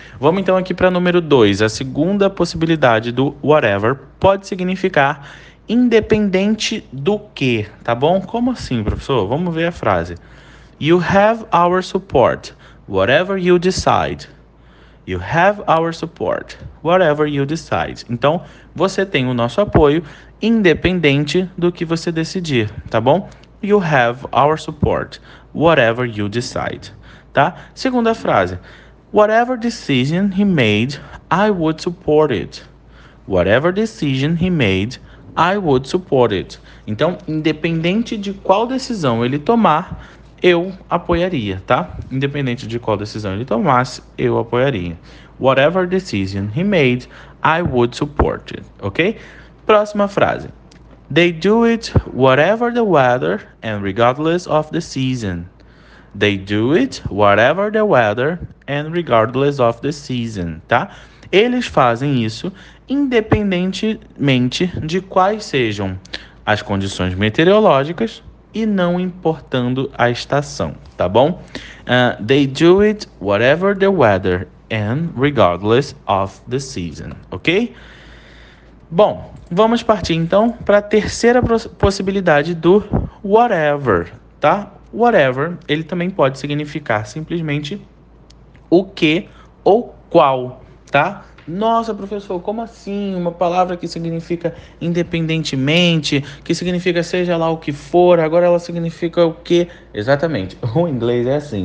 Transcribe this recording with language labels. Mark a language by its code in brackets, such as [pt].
[pt] Vamos então aqui para número 2, a segunda possibilidade do whatever pode significar independente do que, tá bom? Como assim, professor? Vamos ver a frase. [en] You have our support, whatever you decide. You have our support, whatever you decide. [pt] Então, você tem o nosso apoio, independente do que você decidir, tá bom? [en] You have our support, whatever you decide, tá? [pt] Segunda frase. [en] Whatever decision he made, I would support it. Whatever decision he made, I would support it. [pt] Então, independente de qual decisão ele tomar, eu apoiaria, tá? Independente de qual decisão ele tomasse, eu apoiaria. [en] Whatever decision he made, I would support it, ok? [pt] Próxima frase. [en] They do it whatever the weather and regardless of the season. They do it whatever the weather and regardless of the season, tá? [pt] Eles fazem isso independentemente de quais sejam as condições meteorológicas e não importando a estação, tá bom? [en] They do it whatever the weather and regardless of the season, ok? [pt] Bom, vamos partir então para a terceira possibilidade do whatever, tá? Whatever, ele também pode significar simplesmente o que ou qual, tá? Nossa, professor, como assim? Uma palavra que significa independentemente, que significa seja lá o que for, agora ela significa o quê? Exatamente. O inglês é assim.